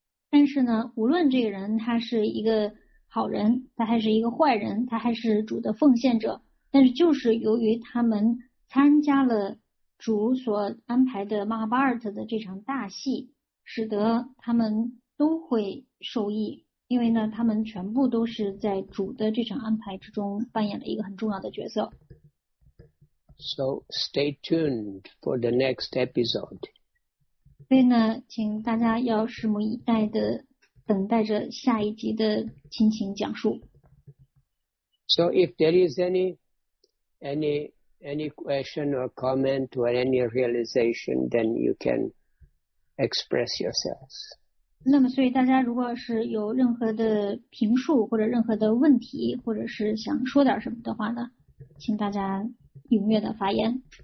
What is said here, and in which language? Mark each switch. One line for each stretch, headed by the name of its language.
Chinese: 但是呢，无论这个人他是一个好人，他还是一个坏人，他还是主的奉献者，但是就是由于他们参加了主所安排的马哈巴尔特的这场大戏，使得他们都会受益，因为呢，他们全部都是在主的这场安排之中扮演了一个很重要的角色。
English: So stay tuned for the next episode.
Chinese: 所以呢，请大家要拭目以待的等待着下一集的亲情讲述。
English: So if there is any question or comment or any realization, then you can express yourselves.
Chinese: 那么，所以大家如果是有任何的评述或者任何的问题，或者是想说点什么的话呢，请大家。踊跃的发言。